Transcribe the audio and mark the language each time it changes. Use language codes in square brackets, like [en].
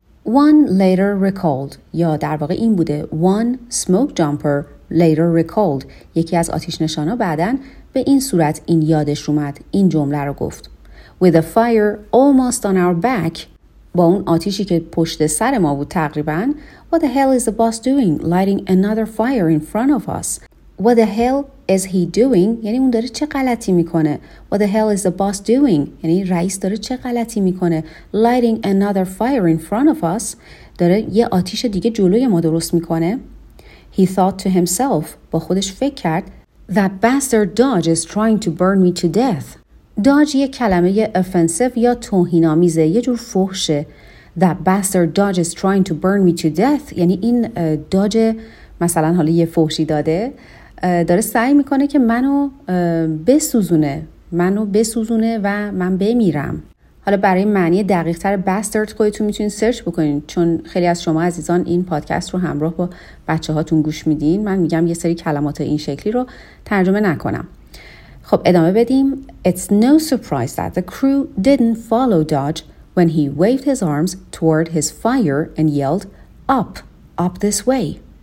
[en] one later recalled [fa] یا در واقع این بوده [en] one smoke jumper later recalled. [fa] یکی از آتیش نشانا بعدن به این صورت این یادش اومد، این جمله رو گفت. [en] with a fire almost on our back، [fa] با اون آتیشی که پشت سر ما بود تقریبا. [en] what the hell is the boss doing lighting another fire in front of us. what the hell is he doing [fa] یعنی اون داره چه غلطی میکنه. [en] what the hell is the boss doing [fa] یعنی رئیس داره چه غلطی میکنه. [en] lighting another fire in front of us [fa] داره یه آتیش دیگه جلوی ما درست میکنه. [en] He thought to himself، [fa] با خودش فکر کرد، [en] that bastard Dodge is trying to burn me to death. Dodge [fa] یه کلمه [en] offensive [fa] یا توهین‌آمیزه، یه جور فحشه. [en] That bastard Dodge is trying to burn me to death. [fa] یعنی این داج مثلا حالا یه فحشی داده داره سعی میکنه که منو بسوزونه، منو بسوزونه و من بمیرم. حالا برای معنی دقیق تر bastard خودتون میتونین سرچ بکنین، چون خیلی از شما عزیزان این پادکست رو همراه با بچه هاتون گوش میدین، من میگم یه سری کلمات این شکلی رو ترجمه نکنم. خب ادامه بدیم. [en] It's no surprise that the crew didn't follow Dodge when he waved his arms toward his fire and yelled up, up this way.